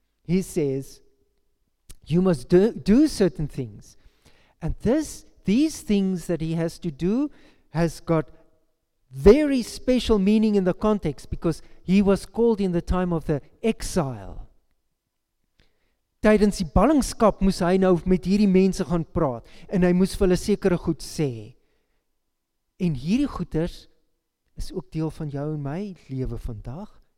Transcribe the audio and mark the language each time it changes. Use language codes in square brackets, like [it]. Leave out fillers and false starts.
[en] He says, you must do certain things. And these things that he has to do has got very special meaning in the context, because he was called in the time of the exile. [af] Tydens die ballingskap moes hy nou met hierdie mense gaan praat en hy moes vir hulle sekere goed sê. En hierdie goeders is ook deel van jou en my lewe vandag.